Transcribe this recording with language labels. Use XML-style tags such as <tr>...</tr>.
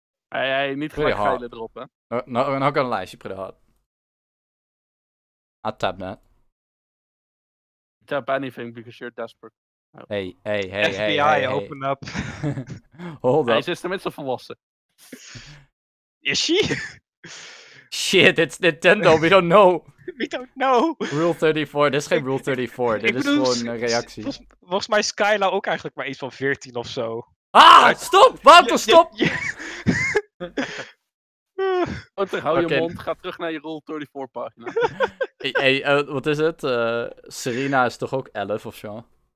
<nl>Hij niet gelijk geilen erop, hè?</nl> <en>Nou, we're not gonna lie, she pretty hard. I tap that. Tap anything because you're desperate. Oh. Hey, FBI, open up. Hold up.</en> <nl>Hij is tenminste volwassen.</nl> <en>Is she? Shit, it's Nintendo, we don't know. We don't know.</en> <nl>Rule 34, dit is geen Rule 34, dit is gewoon een reactie. Volgens mij is Skyla ook eigenlijk maar iets van 14 of zo. Ah, stop! Wouter, stop! Wouter, hou je mond. Ga terug naar je Rule 34 pagina. Hey, wat is het? Serena is toch ook 11 of zo?</nl>